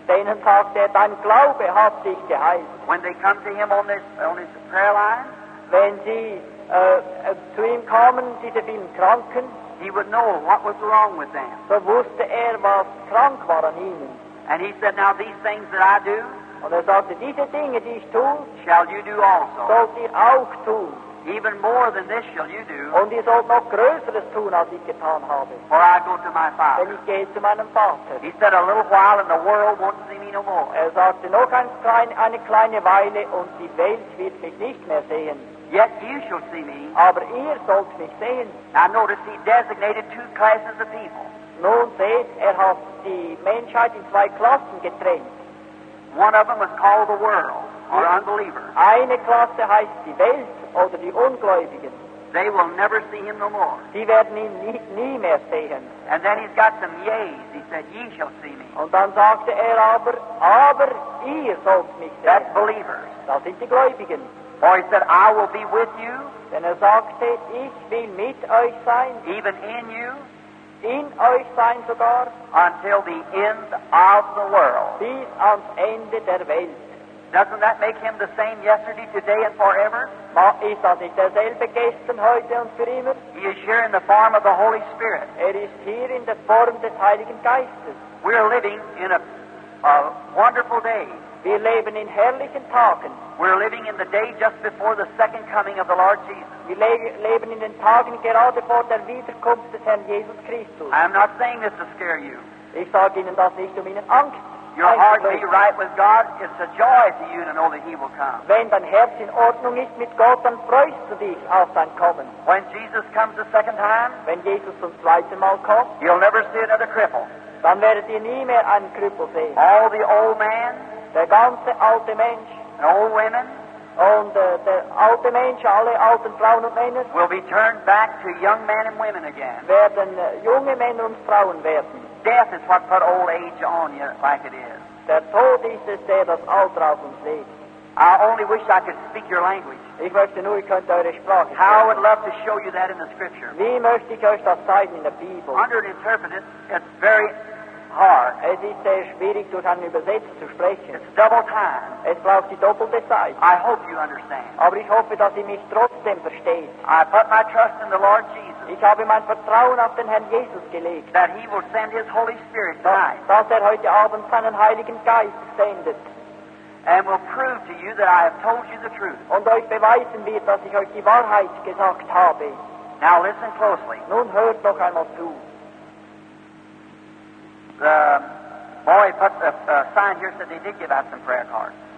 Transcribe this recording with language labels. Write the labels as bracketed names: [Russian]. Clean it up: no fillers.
[German] Denen sagte er, dein Glaube hat dich geheilt. [English] When they come to him on his prayer line, [German] wenn sie zu ihm kamen, diese vielen Kranken, [English] he would know what was wrong with them. [German] So wusste er, was krank war an ihnen. [English] And he said, now these things that I do, [German] und er sagte, diese Dinge, die ich tue, [English] shall you do also. [German] Sollt ihr auch tun. [English] Even more than this shall you do. [German] Und ihr sollt noch Größeres tun, als ich getan habe. [English] For I go to my Father. [German] Denn ich gehe zu meinem Vater. [English] He said, a little while and the world won't see me no more. [German] Er sagte, noch eine kleine Weile und die Welt wird mich nicht mehr sehen. [English] Yet you shall see me. [German] Aber ihr sollt mich sehen. [English] Now notice he designated two classes of people. [German] Nun seht, er hat die Menschheit in zwei Klassen getrennt. [English] One of them was called the world, or unbeliever. [German] Eine Klasse heißt die Welt oder die Ungläubigen. [English] They will never see him no more. [German] Die werden ihn nie mehr sehen. [English] And then he's got some yeas. He said, ye shall see me. [German] Und dann sagte er aber ihr sollt mich sehen. [English] That's believers. [German] Das sind die Gläubigen. [English] For he said, I will be with you. [German] Denn er sagte, ich will mit euch sein. [English] Even in you. [German] In euch sein sogar. [English] Until the end of the world. [German] Bis ans Ende der Welt. [English] Doesn't that make him the same yesterday, today, and forever? [German] Ist das nicht derselbe gestern, heute und für immer? [English] He is here in the form of the Holy Spirit. [German] Er ist hier in der Form des Heiligen Geistes. [English] We are living in a wonderful day. [German] Wir leben in herrlichen Tagen. [English] We're living in the day just before the second coming of the Lord Jesus. [German] Wir leben in den Tagen gerade vor der Wiederkunft des Herrn Jesus Christus. [English] I'm not saying this to scare you. [German] Ich sage Ihnen das nicht, um Ihnen Angst zu machen. [English] Your heart be right with God. It's a joy to you to know that He will come. [German] Wenn dein Herz in Ordnung ist mit Gott, dann freust du dich auf sein Kommen. [English] When Jesus comes the second time, [German] wenn Jesus zum zweiten Mal kommt, [English] you'll never see another cripple. [German] Dann werdet ihr nie mehr einen Krüppel sehen. [English] All the old man. [German] Der ganze alte Mensch, [English] and old women, [German] und der alte Mensch, alle alten Frauen und Männer, [English] will be turned back to young men and women again. [German] Werden junge Männer und Frauen werden. [English] Death is what put old age on you, like it is. [German] Der Tod ist es, der das Alter auf uns legt. [English] I only wish I could speak your language. [German] Ich möchte nur, ich könnte eure Sprache. [English] How I would love to show you that in the Scripture. [German] Wie möchte ich euch das zeigen in der Bibel? [English] Under an interpreter, it's very hard. [German] Es ist sehr schwierig, durch einen Übersetzer zu sprechen. [English] It's double time. [German] Es braucht die doppelte Zeit. [English] I hope you understand. [German] Aber ich hoffe, dass ihr mich trotzdem versteht. [English] I put my trust in the Lord Jesus. [German] Ich habe mein Vertrauen auf den Herrn Jesus gelegt. [English] That he will send his Holy Spirit tonight. [German] Dass er heute Abend seinen Heiligen Geist sendet. [English] And will prove to you that I have told you the truth. [German] Und euch beweisen wird, dass ich euch die Wahrheit gesagt habe. [English] Now listen closely. [German] Nun hört noch einmal zu. [English] The boy put the sign here said they did give out some prayer cards.